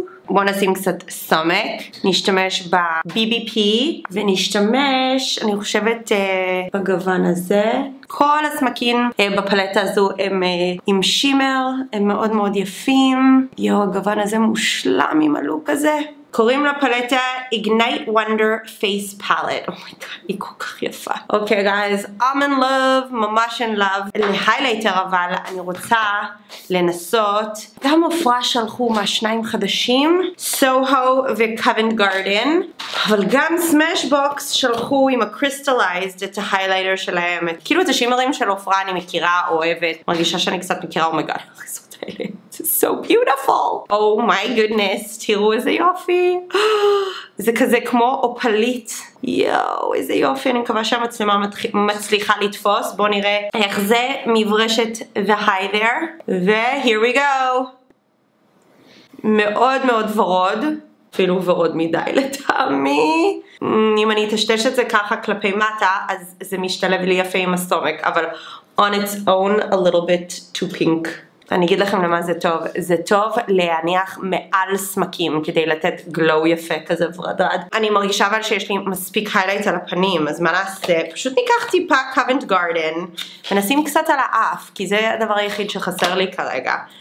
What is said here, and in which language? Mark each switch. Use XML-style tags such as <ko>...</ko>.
<he>בוא נשים קצת סומק, נשתמש ב-BBP ונשתמש, אני חושבת, בגוון הזה. כל הסמקים בפלטה הזו הם עם שימר, הם מאוד מאוד יפים. יואו, הגוון הזה מושלם עם הלוק הזה. קוראים לפלטה Ignite Wonder Face Palette. אומייגאד, היא כל כך יפה. אוקיי, גייז,</he> <en>I'm in love,</en> <he>ממש</he> <en>in love.</en> <he>להיילייטר אבל אני רוצה לנסות. גם אופרה שלחו מהשניים חדשים, Soho וCovent Garden, אבל גם Smashbox שלחו עם הקריסטליזד את ההיילייטר שלהם. כאילו את השימרים של אופרה אני מכירה, אוהבת, מרגישה שאני קצת מכירה, אומייגאד, הריסות האלה.</he> <en>So beautiful. Oh my goodness.</en> <he>תראו איזה יופי. זה כזה כמו אופלית. יואו, איזה יופי. אני מקווה שהמצלמה מצליחה לתפוס. בואו נראה איך זה מברשת והי דר.</he> <en>והיר וי גו. מאוד מאוד ורוד.</en> <he>אפילו ורוד מדי לטעמי. אם אני אטשטש את זה ככה כלפי מטה, אז זה משתלב לי יפה עם הסומק. אבל</he> <en>on its own a little bit too pink.</en> <he>אני אגיד לכם למה זה טוב. זה טוב להניח מעל סמקים כדי לתת גלו יפה כזה ורדרד. אני מרגישה אבל שיש לי מספיק היילייט על הפנים, אז מה נעשה? פשוט ניקח טיפה Covent Garden ונשים קצת על האף, כי זה הדבר היחיד שחסר לי כרגע.</he>